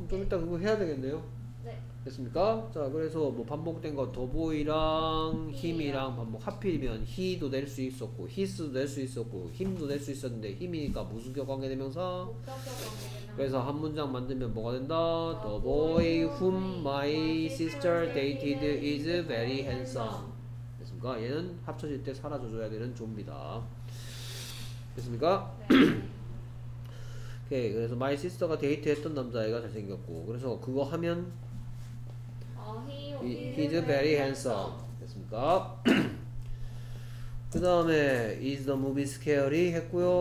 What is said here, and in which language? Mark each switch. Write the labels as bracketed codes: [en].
[ko] 좀 이따 그거 해야 되겠네요. 네. 됐습니까? 자, 그래서 뭐 반복된 거 더 보이랑 힘이랑 반복 하필이면 he도 될 수 있었고 his도 될 수 있었고 힘도 될 수 있었는데 힘이니까 무슨 격 관계대명사? 그래서 한 문장 만들면 뭐가 된다? [en] The boy whom my sister dated is very handsome. [ko] 됐습니까? 얘는 합쳐질 때 사라져줘야 되는 좀비다. 됐습니까? 네. 오케이. 그래서 my sister가 데이트했던 남자애가 잘생겼고 그래서 그거 하면 [en] he is very handsome. [ko] 됐습니까? 그 다음에 [en] is the movie scary [ko] 했고요.